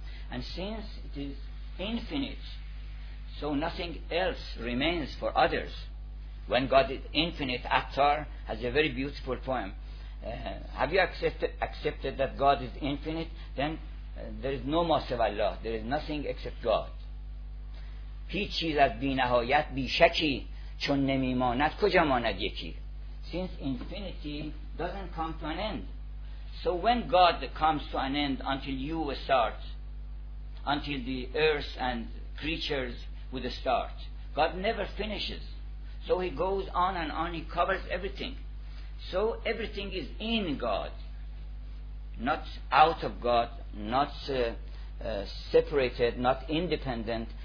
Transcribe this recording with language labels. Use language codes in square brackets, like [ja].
[en] And since it is infinite, so nothing else remains for others. When God is infinite, Attar has a very beautiful poem. Have you accepted that God is infinite? Then there is no Masiv Allah, there is nothing except God. [fa] هیچ چیز از بی نهایت بی شکی چون نمی ماند کجا ماند یکی. [en] Since infinity doesn't come to an end, so when God comes to an end until you start, until the earth and creatures would start, God never finishes. So he goes on and on, he covers everything. So everything is in God, not out of God, not separated, not independent.